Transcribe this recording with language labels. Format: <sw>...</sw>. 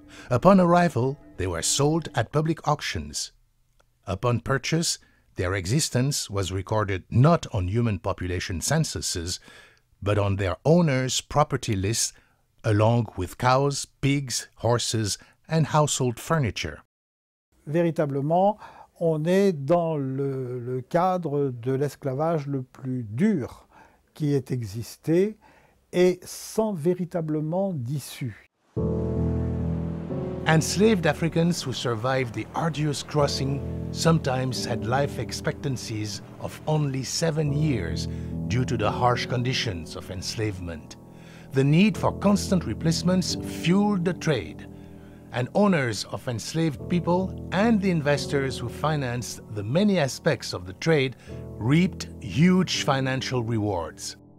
<en>Upon arrival, they were sold at public auctions. Upon purchase, their existence was recorded not on human population censuses, but on their owners' property lists, along with cows, pigs, horses, and household furniture.</en> <fr>Véritablement, on est dans le cadre de l'esclavage le plus dur qui ait existé et sans véritablement d'issue.</fr> <en>Enslaved Africans who survived the arduous crossing sometimes had life expectancies of only 7 years due to the harsh conditions of enslavement. The need for constant replacements fueled the trade, and owners of enslaved people and the investors who financed the many aspects of the trade reaped huge financial rewards.</en>